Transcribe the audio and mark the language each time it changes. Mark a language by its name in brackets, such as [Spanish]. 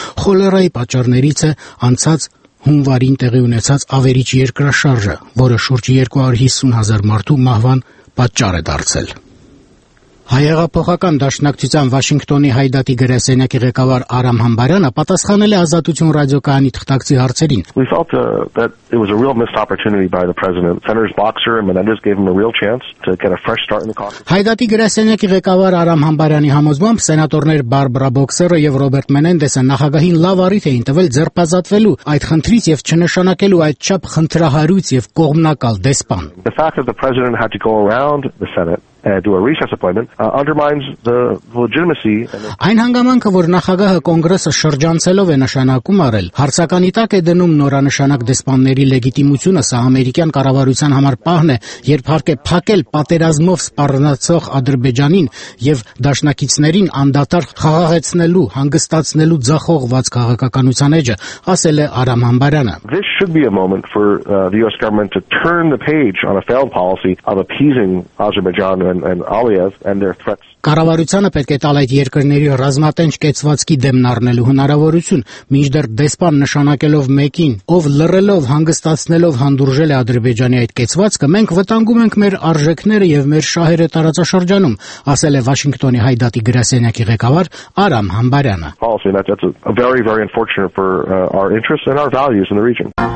[Armenian] Խոլերայի պատճառներից է անցած հունվարին տեղի ունեցած ավերիչ երկրաշարժը, որը շուրջ 250,000 մարդու մահվան պատճառ է դարձել։ Հայեղափոխական դաշնակցության Վաշինգտոնի հայդատի գրասենյակի ղեկավար Արամ Համբարյանը պատասխանել է Ազատություն ռադիոկայանի թղթակցի հարցերին։ [English] It was a real missed opportunity by the president. Senators Boxer and Menendez gave him a real chance to get a fresh start in the caucus. [Armenian] Հայդատի գրասենյակի ղեկավար Արամ Համբարյանի համոզմամբ սենատորներ Բարբրա Բոքսերը և Ռոբերտ Մենենդեսը նախագահին լավ առիթ էին տվել ձերբազատվելու այդ խնդրից և չնշանակելու այդչափ խնդրահարույց և կողմնակալ դեսպան։ [English] The fact that the president had to go around the Senate do a recess appointment undermines the legitimacy. [Armenian] Այն հանգամանքը, որ նախագահը կոնգրեսը շրջանցելով է նշանակում արել, հարցականի տակ է դնում նորանշանակ դեսպանների լեգիտիմությունը, սա ամերիկյան կառավարության համար պահն է, երբ հարկ է փակել պատերազմով սպառնացող Ադրբեջանին և դաշնակիցներին անդադար խաղաղեցնելու, հանգստացնելու ձախողված քաղաքականության էջը, ասել է Արամ Համբարյանը։ [English] This should be a moment for the US government to turn the page on a failed policy of appeasing Azerbaijan and Aliyev and their threats. [Armenian] Կառավարությունը պետք է տալ այդ երկրների ռազմատենչ կեցվածքի դեմ նառնելու հնարավորություն, մինչդեռ դեսպան նշանակելով մեկին, ով լռելով, հանգստացնելով հանդուրժել է Ադրբեջանի այդ կեցվածքը, մենք վտանգում ենք մեր արժեքները եւ մեր շահերը տարածաշրջանում, ասել է Վաշինգտոնի հայդատի գրասենյակի ղեկավար Արամ Համբարյանը։